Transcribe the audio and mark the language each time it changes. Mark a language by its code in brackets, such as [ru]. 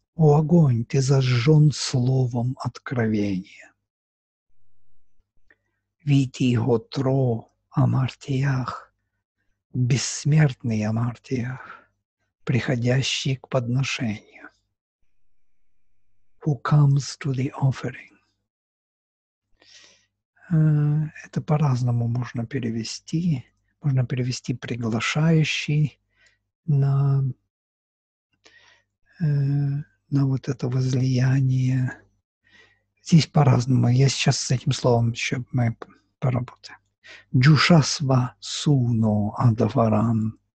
[ru] О огонь, ты зажжен словом откровения. [sa] Витиго тро амартиях, бессмертный амартиях, приходящий к подношению. [en] Who comes to the offering? [ru] Это по-разному можно перевести. Можно перевести приглашающий на вот это возлияние. Здесь по-разному. Я сейчас с этим словом еще мы поработаем. [sa] Джушасва суно адаварам.